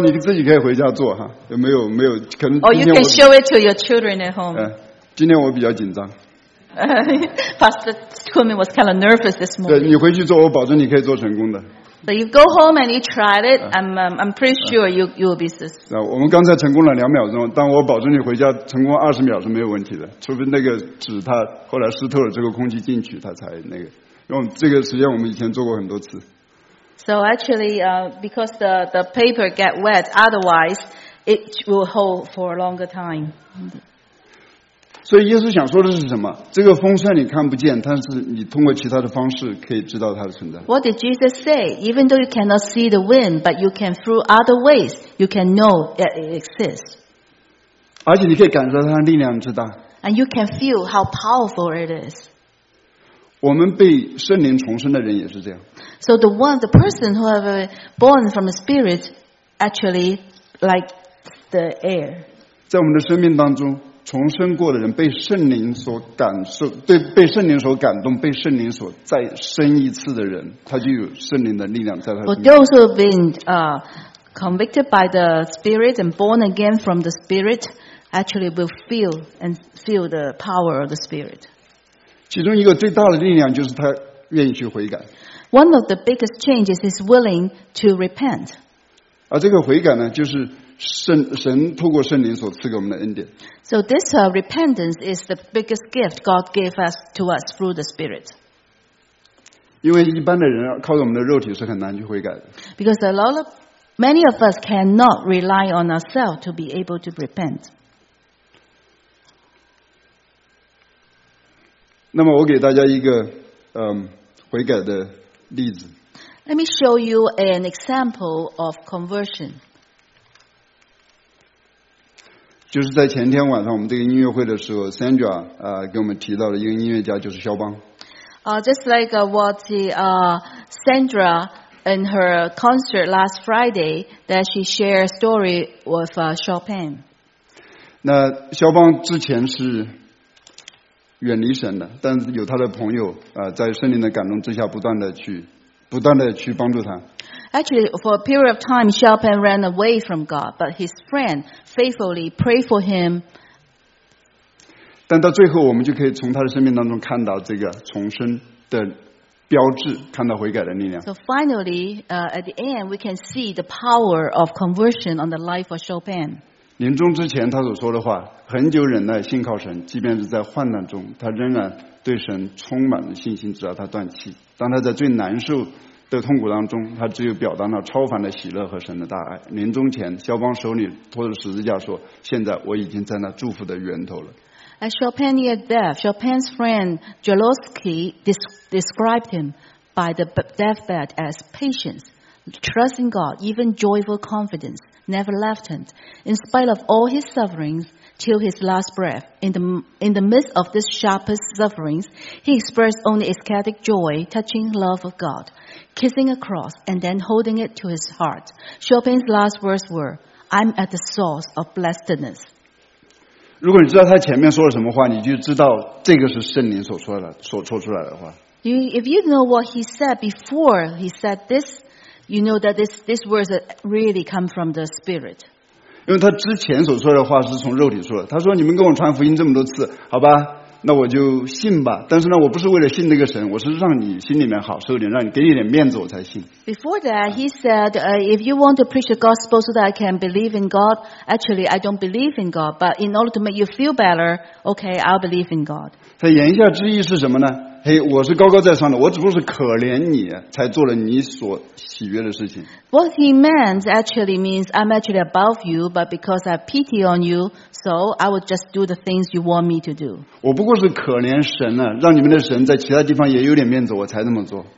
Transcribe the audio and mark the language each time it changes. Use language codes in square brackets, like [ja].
[zh] 你自己可以回家做哈，没有，可能。 [en] Or you can show it to your children at home. [zh] 今天我比较紧张。 [en] Pastor Truman was kind of nervous this morning. [zh] 对，你回去做，我保证你可以做成功的。 [en] So you go home and you tried it. I'm pretty sure you will be successful. [zh] 那我们刚才成功了两秒钟，但我保证你回家成功二十秒是没有问题的，除非那个纸它后来湿透了，这个空气进去它才那个。用这个实验我们以前做过很多次。 [en] So actually, because the paper get wet, otherwise it will hold for a longer time. [zh] 所以耶稣想说的是什么？这个风虽然你看不见，但是你通过其他的方式可以知道它的存在。 [en] What did Jesus say? Even though you cannot see the wind, but you can through other ways, you can know that it exists. [zh] 而且你可以感受到它的力量之大。 [en] And you can feel how powerful it is. [zh] 我们被圣灵重生的人也是这样。 [en] So the person who have born from the spirit actually like the air. [zh] 在我们的生命当中，重生过的人被圣灵所感受，对被圣灵所感动，被圣灵所再生一次的人，他就有圣灵的力量在他身上。 [en] For those who have been convicted by the spirit and born again from the spirit, actually will feel the power of the spirit. [zh] 其中一个最大的力量就是他愿意去悔改。 [en] One of the biggest changes is willing to repent. [zh] 而这个悔改呢，就是神透过圣灵所赐给我们的恩典。 [en] So this repentance is the biggest gift God gave us to us through the Spirit. [zh] 因为一般的人靠着我们的肉体是很难去悔改的。 [en] Because many of us cannot rely on ourselves to be able to repent. [zh] 那么我给大家一个悔改的例子。 [en] Let me show you an example of conversion. [zh] 就是在前天晚上我们这个音乐会的时候 ,Sandra, 给我们提到了一个音乐家就是肖邦。 [en] Just like what Sandra in her concert last Friday, that she shared a story with Chopin. [zh] 那肖邦之前是远离神的，但有他的朋友在圣灵的感动之下不断的去帮助他。 [en] Actually, for a period of time, Chopin ran away from God, but his friend faithfully prayed for him. [zh] 但到最后，我们就可以从他的生命当中看到这个重生的标志，看到悔改的力量。 [en] So finally, at the end, we can see the power of conversion on the life of Chopin. [zh] 临终之前他所说的话很久忍耐信靠神即便是在患难中他仍然对神充满了信心直到他断气当他在最难受的痛苦当中他只有表达了超凡的喜乐和神的大爱临终前肖邦手里托着十字架说现在我已经在那祝福的源头了 [en] As Chopin near death Chopin's friend Jaloski described him by the deathbed as patientTrusting God, even joyful confidence, never left him, in spite of all his sufferings, till his last breath. In the midst of this sharpest sufferings, he expressed only ecstatic joy, touching love of God, kissing a cross, and then holding it to his heart. Chopin's last words were, I'm at the source of blessedness. [zh] 如果你知道他前面说了什么话，你就知道这个是圣灵所说出来的话。 [en] If you know what he said before he said this,You know that this words really come from the spirit. [zh] 因为他之前所说的话是从肉体说的。他说：“你们跟我传福音这么多次，好吧，那我就信吧。但是呢，我不是为了信那个神，我是让你心里面好受点，让你给你点面子，我才信。” [en] Before that, he said, "If you want to preach the gospel so that I can believe in God, actually, I don't believe in God. But in order to make you feel better, okay, I'll believe in God." [zh] 他言下之意是什么呢？嘿、hey, 我是高高在上的我只不过是可怜你才做了你所喜悦的事情。 [en] What he meant actually means I'm actually above you, but because I pity on you, so I would just do the things you want me to do. [zh] 我不过是可怜神了让你们的神在其他地方也有点面子我才这么做。